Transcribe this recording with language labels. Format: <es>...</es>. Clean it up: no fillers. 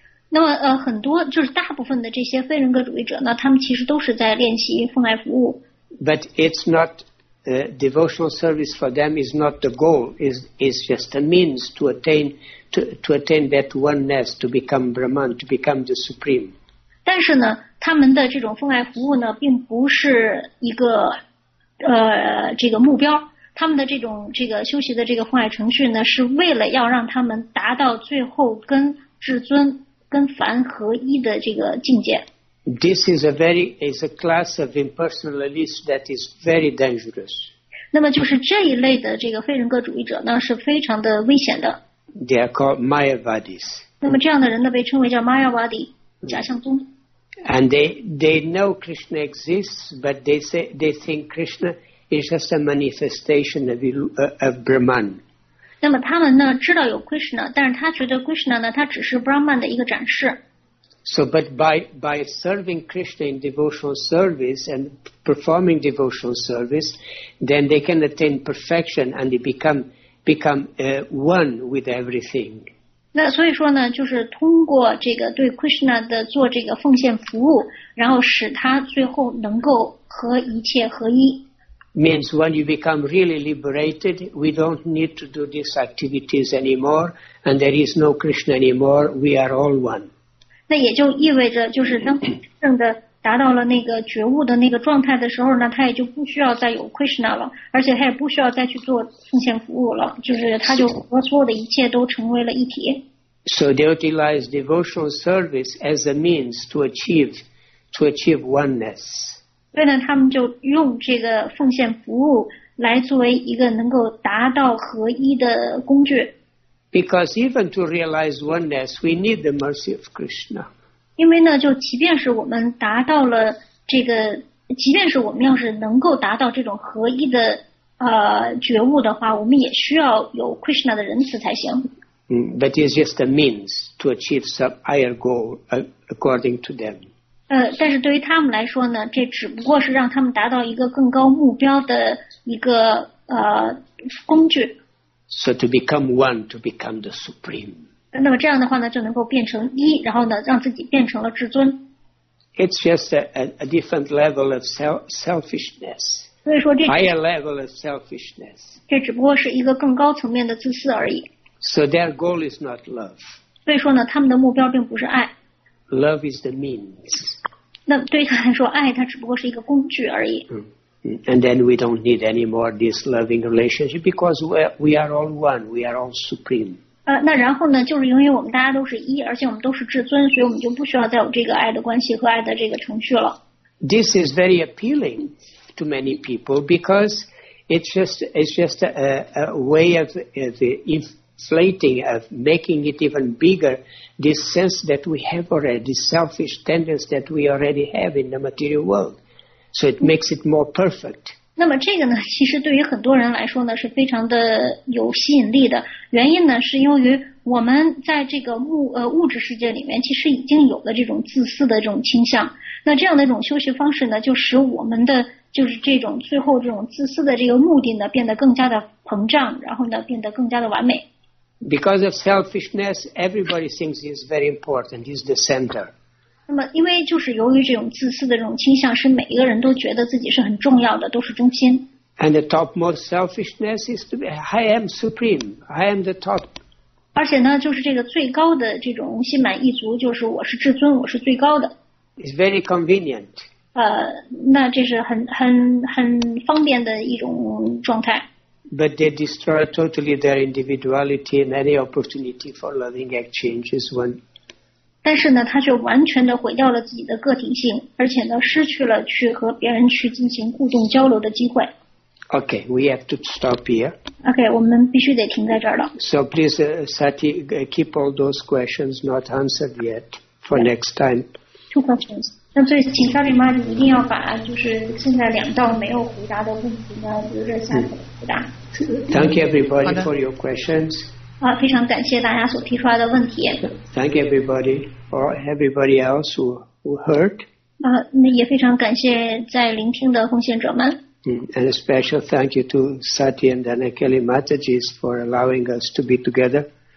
<zh>那么很多就是大部分的这些非人格主义者呢，他们其实都是在练习奉爱服务。</zh> <en>But it's notdevotional service for them is not the goal, is just a means to attain, to attain that oneness, to become Brahman, to become the Supreme.</en> <zh>但是呢，他们的这种奉爱服务呢，并不是一个这个目标。他们的这种这个修习的这个奉爱程序呢，是为了要让他们达到最后跟至尊、跟凡合一的这个境界。</zh> <en>This is a very is a class of impersonalist that is very dangerous.</en> <zh>那么就是这一类的这个非人格主义者呢是非常的危险的。</zh> <en>They are called Mayavadis.</en> <zh>那么这样的人呢被称为叫 Mayavadi, 假象宗。</zh> <en>And they know Krishna exists, but they think Krishna is just a manifestation of Brahman.</en> <zh>那么他们呢知道有 Krishna, 但是他觉得 Krishna 呢他只是 Brahman 的一个展示。</zh> <en>So, but by serving Krishna in devotional service and performing devotional service, then they can attain perfection and they become one with everything.</en> <zh>那所以说呢，就是通过这个对 Krishna 的做这个奉献服务，然后使他最后能够和一切合一。</zh> <en>Means when you become really liberated, we don't need to do these activities anymore, and there is no Krishna anymore. We are all one.</en> <zh>那也就意味着，就是当真正的达到了那个觉悟的那个状态的时候呢，他也就不需要再有 Krishna 了，而且他也不需要再去做奉献服务了，就是他就和所有的一切都成为了一体。</zh> <en>So they utilize devotional service as a means to achieve oneness.</en> <zh>所以呢，他们就用这个奉献服务来作为一个能够达到合一的工具。</zh> <en>Because even to realize oneness, we need the mercy of Krishna.</en> <zh>因为呢，就即便是我们达到了这个，即便是我们要是能够达到这种合一的觉悟的话，我们也需要有 Krishna 的仁慈才行。</zh> <en>But it's just a means to achieve some higher goal, according to them.</en> <zh>但是对于他们来说呢，这只不过是让他们达到一个更高目标的一个工具。</zh> <en>So to become one, to become the supreme.</en> <zh>那么这样的话呢，就能够变成一，然后呢，让自己变成了至尊。</zh> <en>It's just a different level of selfishness.</en> <zh>所以说这</zh> <en>higher level of selfishness.</en> <zh>这只不过是一个更高层面的自私而已。</zh> <en>So their goal is not love.</en> <zh>所以说呢，他们的目标并不是爱。</zh> <en>Love is the means.</en> <zh>那对他来说，爱它只不过是一个工具而已。</zh> <en>And then we don't need any more this loving relationship because we are all one, we are all supreme.</en> <zh>那然后呢，就是因为我们大家都是一，而且我们都是至尊，所以我们就不需要再有这个爱的关系和爱的这个程序了。</zh> <en>This is very appealing to many people because it's just a way of the inflating, of making it even bigger, this sense that we have already, this selfish tendency that we already have in the material world. So it makes it more perfect.</en> <zh>那么这个呢，其实对于很多人来说呢，是非常的有吸引力的。原因呢，是由于我们在这个物质世界里面，其实已经有了这种自私的这种倾向。那这样的一种修行方式呢，就使我们的就是这种最后这种自私的这个目的呢，变得更加的膨胀，然后呢，变得更加的完美。</zh> <en>Because of selfishness, everybody thinks he's very important. He's the center.</en> <zh>那么因为就是由于这种自私的这种倾向使每一个人都觉得自己是很重要的都是中心。</zh> <en>And the topmost selfishness is to be, I am supreme, I am the top.</en> <zh>而且呢就是这个最高的这种心满意足就是我是至尊我是最高的。</zh> <en>It's very convenient.</en> <zh>那这是很方便的一种状态。</zh> <en>But they destroy totally their individuality and any opportunity for loving exchanges when...</en> <zh>但是呢，他却完全的毁掉了自己的个体性，而且呢，失去了去和别人去进行互动交流的机会。</zh> <en>Okay, we have to stop here.</en> <zh>Okay, 我们必须得停在这儿了。</zh> <en>So please, Sati, keep all those questions not answered yet for next time. Two questions.</en> <zh>那所以，请Sati妈一定要把就是现在两道没有回答的问题呢，留着下次回答。</zh> <en>Thank you, everybody, for your questions.</en> <zh>非常感谢大家所提出来的问题。</zh> <en>Thank everybody or everybody else who heard.</en> <zh>那也非常感谢在聆听的奉献者们。</zh> <en>And a special thank you to Sati and Dhanakeli Mataji for allowing us to be together.</en>